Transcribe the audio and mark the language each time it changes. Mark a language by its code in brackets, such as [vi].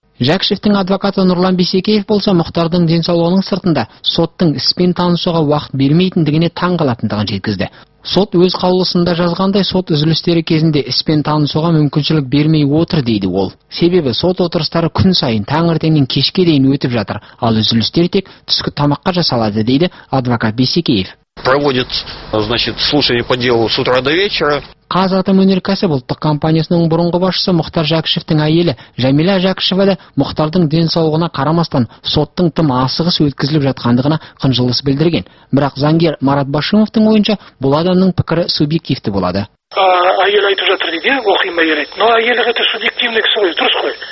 [kk] Жәкішевтің адвокаты Нұрлан Бисекеев болса, Мұхтардың денсаулығының сыртында соттың іспен танысуға уақыт бермейтіндігіне таң қалатындығын жеткізді. Сот өз қаулысында жазғандай, сот үзілістері кезінде іспен танысуға мүмкіншілік бермей отыр, дейді ол. Себебі сот отырыстары күн сайын таңертеңнен кешке дейін өтіп жатыр, ал үзілістер тек түскі тамаққа жасалады, дейді адвокат Бисекеев. [ru] Проводит, значит, слушание по делу с утра до вечера. [kk] Қазатомөнеркәсіп ұлттық компаниясының бұрынғы басшысы Мұхтар Жәкішевтің әйелі Жәмила Жәкішева да Мұхтардың денсаулығына қарамастан соттың тым асығыс өткізіліп жатқандығына қынжылыс білдірген. Бірақ заңгер Марат Башимовтың ойынша бұл адамның пікірі субъективті болады. Әйел айтып жатыр дейді, оқимын әйелет. Но әйелі ғеті субъективный кісі ғой, дұрыс қой.